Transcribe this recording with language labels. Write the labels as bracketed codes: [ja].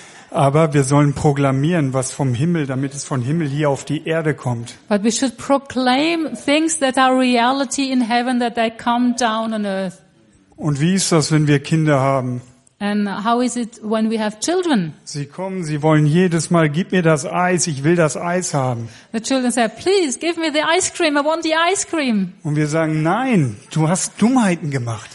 [de] Aber wir sollen proklamieren, was vom Himmel, damit es von Himmel hier auf die Erde kommt. [en] But we should proclaim things that are reality in heaven, that they come down on earth. [de] Und wie ist das, wenn wir Kinder haben? [en] And how is it when we have children? [de] Sie kommen, sie wollen jedes Mal, gib mir das Eis, ich will das Eis haben. [en] The children say, please give me the ice cream, I want the ice cream. [de] Und wir sagen, nein, du hast Dummheiten gemacht.